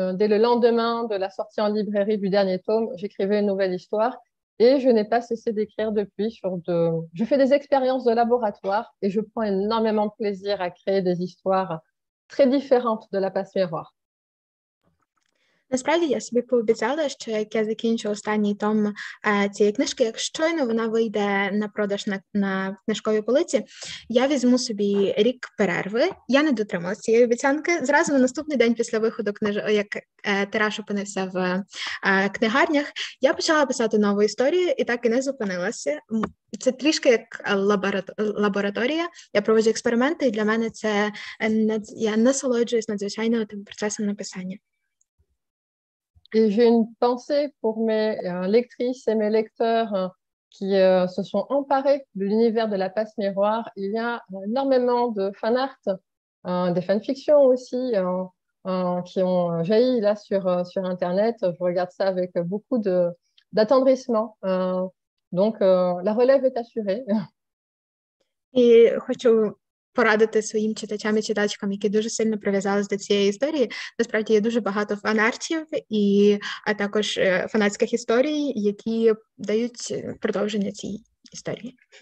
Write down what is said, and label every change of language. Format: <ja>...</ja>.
<fr>Dès le lendemain de la sortie en librairie du dernier tome, j'écrivais une nouvelle histoire et je n'ai pas cessé d'écrire depuis. Je fais des expériences de laboratoire et je prends énormément de plaisir à créer des histoires très différentes de la passe miroir.</fr> <uk>Насправді, я собі пообіцяла, що як я закінчу останній том цієї книжки, як щойно вона вийде на продаж на книжковій полиці, я візьму собі рік перерви. Я не дотрималася цієї обіцянки. Зразу на наступний день після виходу тираж опинився в книгарнях, я почала писати нову історію і так і не зупинилася. Це трішки як лабораторія. Я проводжу експерименти, і для мене це я насолоджуюсь надзвичайно тим процесом написання.</uk> <fr>Et j'ai une pensée pour mes lectrices et mes lecteurs qui se sont emparés de l'univers de la passe miroir. Il y a énormément de fanart, des fanfictions aussi, qui ont jailli là sur Internet. Je regarde ça avec beaucoup d'attendrissement. Donc, la relève est assurée. Et je veux</fr> <uk>порадити своїм читачам і читачкам, які дуже сильно прив'язались до цієї історії. Насправді є дуже багато фанартів, і, а також фанатських історій, які дають продовження цій історії.</uk>